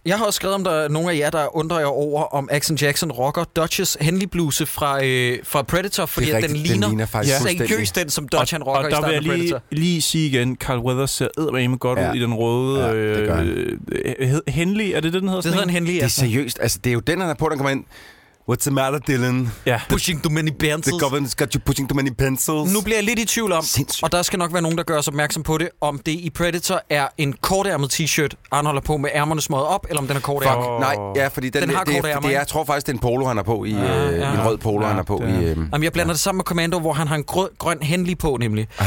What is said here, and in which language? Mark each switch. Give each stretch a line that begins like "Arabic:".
Danish: Jeg har også skrevet, om der er nogle af jer, der undrer jer over, om Action Jackson rocker Dutch's Henley Bluse fra Predator, fordi rigtigt, den ligner faktisk seriøst den, som Dutch han rocker i starten af Predator. Og der vil jeg lige sige igen, Carl Weathers ser eddermame godt ud i den røde... Henley, er det det, den hedder? Det hedder en Henley, ja. Seriøst, altså det er jo den, han er på, der kommer ind.
English: What's the matter, Dylan? Yeah. Pushing too many pencils. The government's got you pushing too many pencils.
Danish: Nu bliver jeg lidt i tvivl om, og der skal nok være nogen, der gør os opmærksom på det, om det i Predator er en kortærmet t-shirt, han holder på med ærmerne smøget op, eller om den er kortærmet. Fuck, nej, ja, fordi den har kortærmet. Fordi jeg tror faktisk, det er en polo, han er på i, en rød polo, han er på. Jamen, jeg blander det sammen med Commando, hvor han har en grøn Henley på, nemlig.